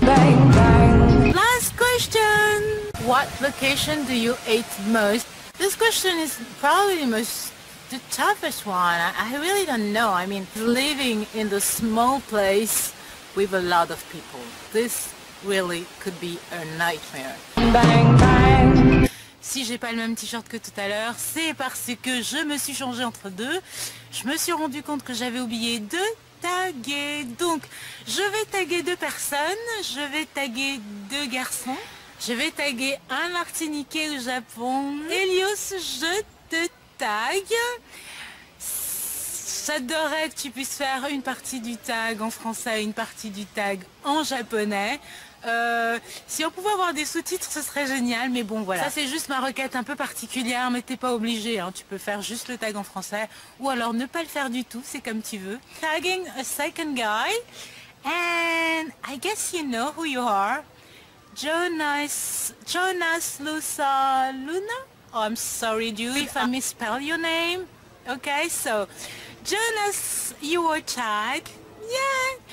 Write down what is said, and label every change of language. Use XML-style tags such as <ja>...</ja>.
<en>Bang, bang. Last question! What location do you hate most? This question is probably the toughest one, I really don't know. I mean, living in the small place with a lot of people, this really could be a nightmare. Bang, bang.</en> <fr>Si j'ai pas le même t-shirt que tout à l'heure, c'est parce que je me suis changée entre deux. Je me suis rendu compte que j'avais oublié de taguer. Donc, je vais taguer deux personnes, je vais taguer deux garçons, je vais taguer un Martiniquais au Japon. Elios, je te tag. J'adorerais que tu puisses faire une partie du tag en français et une partie du tag en japonais. Si on pouvait avoir des sous-titres, ce serait génial, mais bon, voilà. Ça, c'est juste ma requête un peu particulière, mais t'es pas obligé, hein. Tu peux faire juste le tag en français, ou alors ne pas le faire du tout, c'est comme tu veux.</fr> <en>Tagging a second guy, and I guess you know who you are. Jonas Lusa Luna? Oh, I'm sorry, dude, if I misspell your name. Okay, so, Jonas, you were tagged. Yeah!</en>